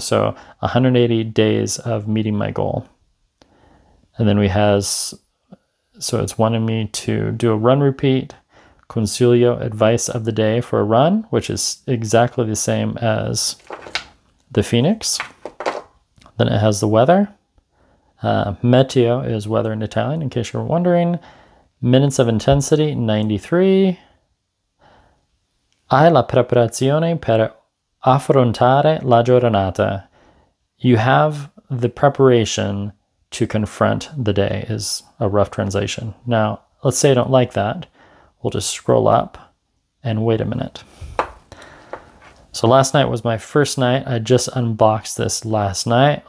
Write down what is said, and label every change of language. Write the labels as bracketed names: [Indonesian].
[English] So 180 days of meeting my goal. And then we has, so it's wanting me to do a run repeat. Consiglio, advice of the day for a run, which is exactly the same as the Fēnix. Then it has the weather. Meteo is weather in Italian, in case you're wondering. Minutes of intensity, 93. [Italian] Hai la preparazione per affrontare la giornata. [English] You have the preparation to confront the day, is a rough translation. Now, let's say I don't like that. We'll just scroll up and wait a minute. So last night was my first night. I just unboxed this last night.